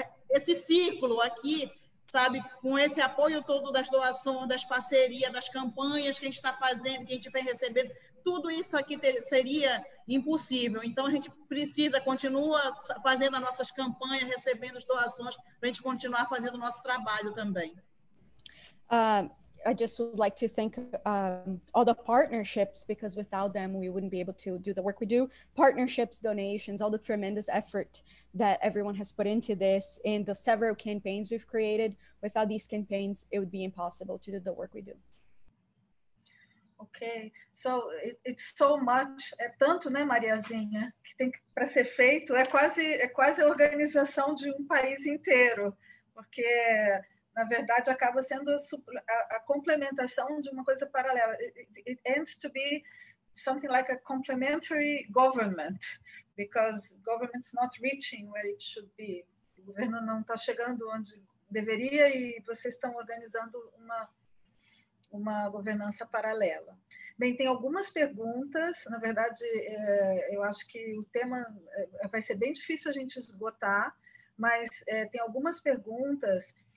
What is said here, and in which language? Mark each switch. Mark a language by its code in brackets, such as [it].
[pt] Esse ciclo aqui, sabe, com esse apoio todo das doações, das parcerias, das campanhas que a gente está fazendo, que a gente vem recebendo, tudo isso aqui seria impossível. Então, a gente precisa continuar fazendo as nossas campanhas, recebendo as doações, para a gente continuar fazendo o nosso trabalho também. [en] I just would like to thank all the partnerships, because without them, we wouldn't be able to do the work we do. Partnerships, donations, all the tremendous effort that everyone has put into this and the several campaigns we've created. Without these campaigns, it would be impossible to do the work we do. [pt] Okay, so it's so much, é tanto, né, Mariazinha, que tem para ser feito, é quase a organização de um país inteiro, porque... Na verdade, acaba sendo a complementação de uma coisa paralela. [en] It ends to be something like a complementary government, because government's not reaching where it should be. [pt] O governo não está chegando onde deveria e vocês estão organizando uma governança paralela. Bem, tem algumas perguntas. Na verdade, eu acho que o tema vai ser bem difícil a gente esgotar, mas tem algumas perguntas.